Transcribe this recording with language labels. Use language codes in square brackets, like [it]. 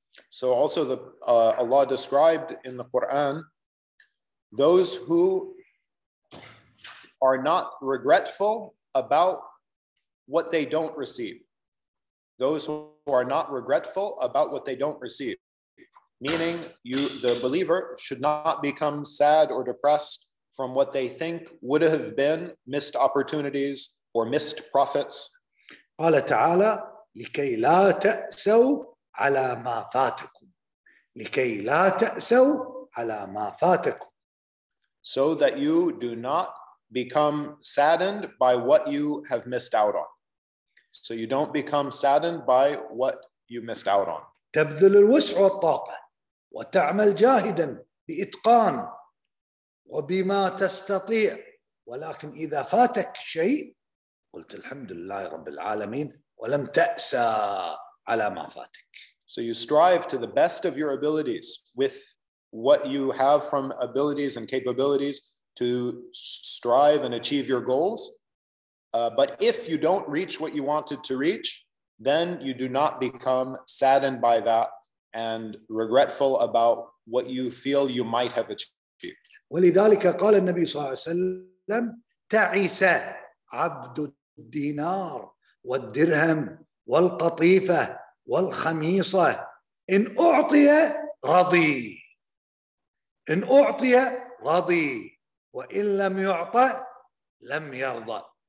[en] So also the Allah described in the Quran those who are not regretful about what they don't receive. Those who are not regretful about what they don't receive. Meaning you, the believer should not become sad or depressed from what they think would have been missed opportunities or missed profits. [ar] قال تعالى لكي لا تأسوا على ما فاتكم. لكي لا تأسوا على ما فاتكم. [en] So that you do not become saddened by what you have missed out on. So you don't become saddened by what you missed out on. [ar] تبذل الوسع والطاقة وتعمل جاهدا بإتقان وبما تستطيع ولكن إذا فاتك شيء قلت الحمد لله رب العالمين ولم تأسى على ما فاتك. [en] So you strive to the best of your abilities with what you have from abilities and capabilities to strive and achieve your goals. But if you don't reach what you wanted to reach, then you do not become saddened by that and regretful about what you feel you might have achieved. [ar] ولذلك قال النبي صلى الله عليه وسلم تعس عبد الدينار والدرهم والقطيفة والخميصة إن أعطي رضي إن أعطي رضي وإن لم يعط لم يرضى.